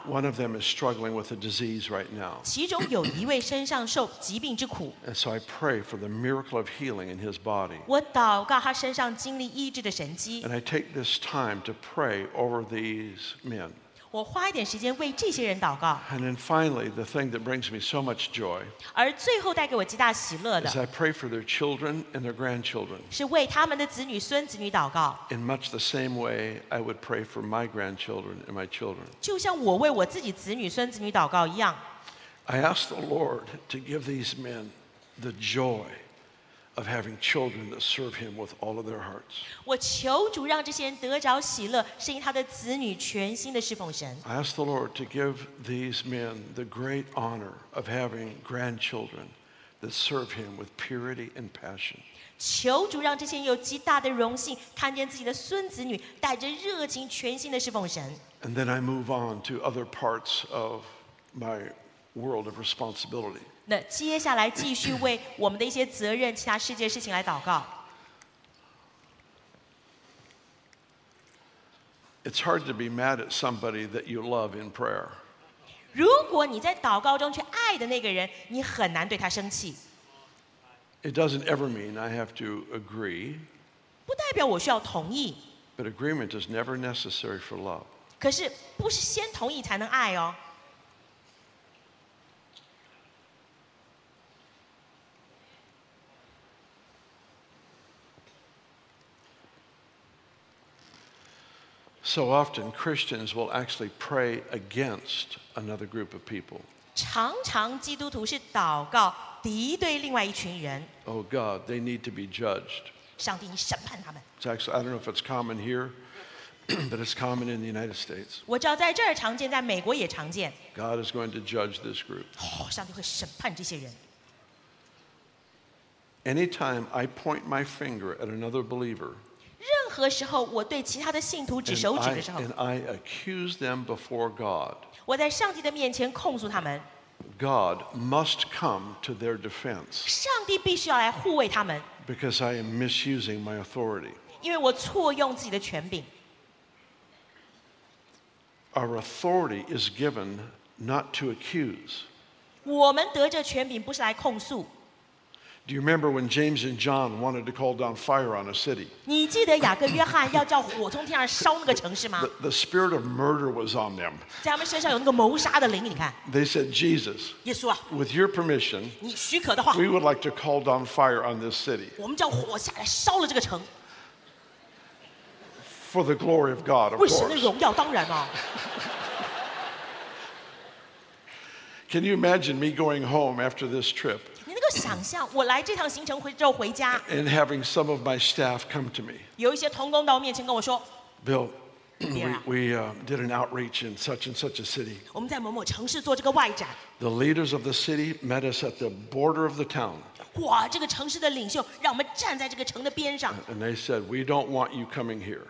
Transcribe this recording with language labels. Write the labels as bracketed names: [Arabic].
[English] One of them is struggling with a disease right now [Chinese] 其中有一位身上受疾病之苦 [English] And so I pray for the miracle of healing in his body [Chinese] 我祷告他身上经历医治的神迹 [English] And I take this time to pray over these men [Chinese] 我花一点时间为这些人祷告 [English] And then finally the thing that brings me so much joy [Chinese] 而最后带给我极大喜乐的 [English] is I pray for their children and their grandchildren [Chinese] 是为他们的子女孙子女祷告 [English] In much the same way I would pray for my grandchildren and my children [Chinese] 就像我为我自己子女孙子女祷告一样 [English] I ask the Lord to give these men the joy of having children that serve him with all of their hearts [Chinese] 我求主让这些人得着喜乐是因他的子女全心的侍奉神 [English] I ask the Lord to give these men the great honor of having grandchildren that serve him with purity and passion [Chinese] 求主让这些人有极大的荣幸看见自己的孙子女带着热情全心的侍奉神 [English] And then I move on to other parts of my world of responsibility [Chinese] 那接下来继续为我们的一些责任其他世界事情来祷告 [English] It's hard to be mad at somebody that you love in prayer [Chinese] 如果你在祷告中去爱的那个人你很难对他生气 [English] It doesn't ever mean I have to agree [Chinese] 不代表我需要同意 [English] But agreement is never necessary for love [Chinese] 可是不是先同意才能爱哦 [English] So often, Christians will actually pray against another group of people. [Chinese] 常常基督徒是祷告敌对另外一群人。 [English] Oh God, they need to be judged. [Chinese] 上帝，你审判他们。 [English] It's actually, I don't know if it's common here, but it's common in the United States. [Chinese] 我知道在这儿常见，在美国也常见。 [English] God is going to judge this group. [Chinese] 上帝会审判这些人。 [English] Anytime I point my finger at another believer, [Chinese] 任何时候我对其他的信徒指手指的时候 [English] and I accuse them before God [Chinese] 我在上帝的面前控诉他们 [English] God must come to their defense [Chinese] 上帝必须要来护卫他们 [English] because I am misusing my authority [Chinese] 因为我错用自己的权柄 [English] Our authority is given not to accuse [Chinese] 我们得着权柄不是来控诉 [English] Do you remember when James and John wanted to call down fire on a city? [Chinese] 你记得雅各约翰要叫火从天上烧那个城市吗 [English] the spirit of murder was on them. [Chinese] 在他们身上有那个谋杀的灵，你看。 [English] They said, Jesus, [Chinese] 耶稣啊 [English] with your permission, [Chinese] 你许可的话 [English] we would like to call down fire on this city. [Chinese] 我们叫火下来烧了这个城。 [English] For the glory of God, of course. [Chinese] 为神的荣耀，当然啊。 [English] Can you imagine me going home after this trip? [Chinese] 你能够想象我来这趟行程之后回家 [English] and having some of my staff come to me. [Chinese] 有一些同工到我面前跟我说 [English] Bill, we did an outreach in such and such a city. [Chinese] 我们在某某城市做这个外展 [English] The leaders of the city met us at the border of the town. [Chinese] 哇，这个城市的领袖让我们站在这个城的边上 [English] And they said, we don't want you coming here.